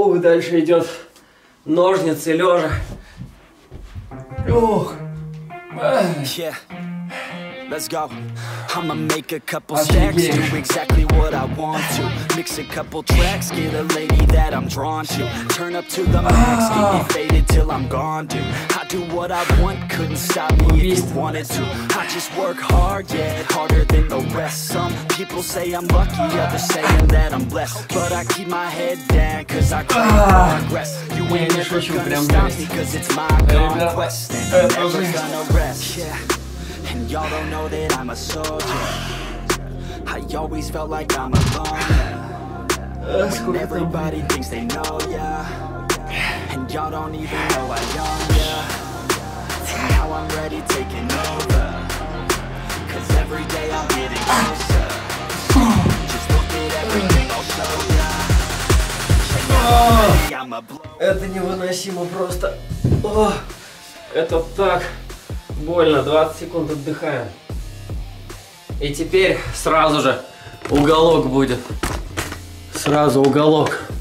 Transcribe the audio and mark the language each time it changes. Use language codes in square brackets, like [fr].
[ru] Дальше идет ножницы лежа. Ох! [en] Let's go. I'ma make a couple stacks, do exactly what I want to. Mix a couple tracks, get a lady that I'm drawn to. Turn up to the max, keep me faded till I'm gone, dude. I do what I want, couldn't stop me if you wanted to. I just work hard, yeah, harder than the rest. Some people say I'm lucky, others saying that I'm blessed. But I keep my head down, cause I keep progress. You ain't ever gonna stop me, cause it's my conquest. And you're never gonna rest, yeah. And y'all don't know that I'm a soldier. I always felt like I'm alone. When everybody thinks they know ya. And y'all don't even know I own ya. Now I'm ready taking over. Cause every day I'm getting closer. Just look at everything I'll show ya. And every day I'm a blow. [ru] Это невыносимо просто. О, это так больно, 20 секунд отдыхаем. И теперь сразу же уголок будет. Сразу уголок.